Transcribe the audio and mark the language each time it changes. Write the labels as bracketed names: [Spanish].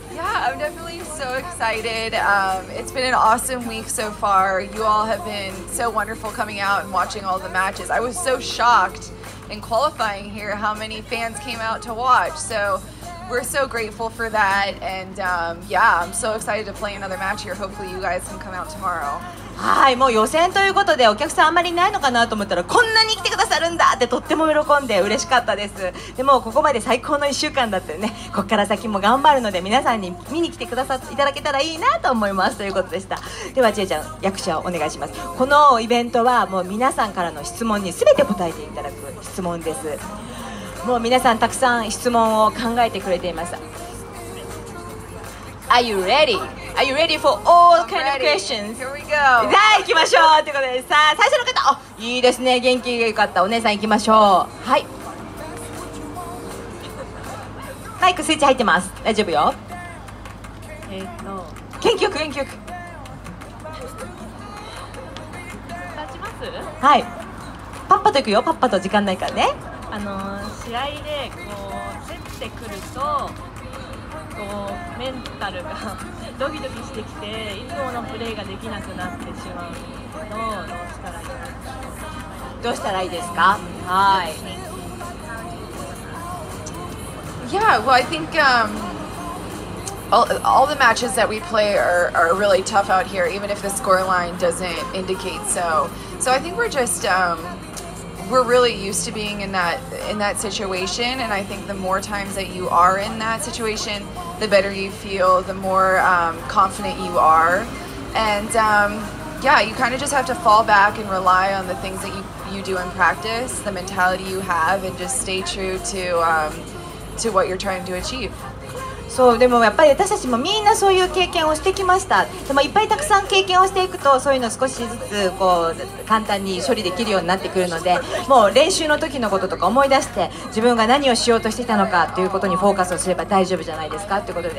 [English] Yeah, I'm definitely so excited. It's been an awesome week so far. You all have been so wonderful coming out and watching all the matches. I was so shocked in qualifying here how many fans came out to watch. So we're so grateful for that. And yeah, I'm so excited to play another match here. Hopefully you guys can come out tomorrow. [Japanese] はい、もう予選ということでお客さんあんまりいないのかなと思ったら、こんなに来てくださるんだってとっても喜んで嬉しかったです。でもここまで最高の1週間だったよね。ここから先も頑張るので、皆さんに見に来てくださっていただけたらいいなと思います、ということでした。ではちえちゃん、役者をお願いします。このイベントはもう皆さんからの質問に全て答えていただく質問です。もう皆さんたくさん質問を考えてくれています。 [English] Are you ready? Are you ready for all kind of questions? Here we go. [Japanese] さあ行きましょうということで、さあ最初の方、いいですね、元気が良かったお姉さん、行きましょう。はい、マイクスイッチ入ってます、大丈夫よ。元気よく元気よく立ちます。はい、パッパと行くよ、パッパと、時間ないからね。試合でこう競ってくると、こうメンタルがドキドキしてきて、いつものプレーができなくなってしまうのを、どうしたらいいですか？どうしたらいいですか？はい。 [English] Yeah, well, I think, All the matches that we play are really tough out here, even if the scoreline doesn't indicate so. So I think we're just, we're really used to being in that situation. And I think the more times that you are in that situation, the better you feel, the more confident you are. And yeah, you kind of just have to fall back and rely on the things that you do in practice, the mentality you have, and just stay true to what you're trying to achieve. [Japanese] そう、でもやっぱり私たちもみんなそういう経験をしてきました。でもいっぱいたくさん経験をしていくと、そういうの少しずつこう簡単に処理できるようになってくるので、もう練習の時のこととか思い出して、自分が何をしようとしていたのかということにフォーカスをすれば大丈夫じゃないですか、ということで。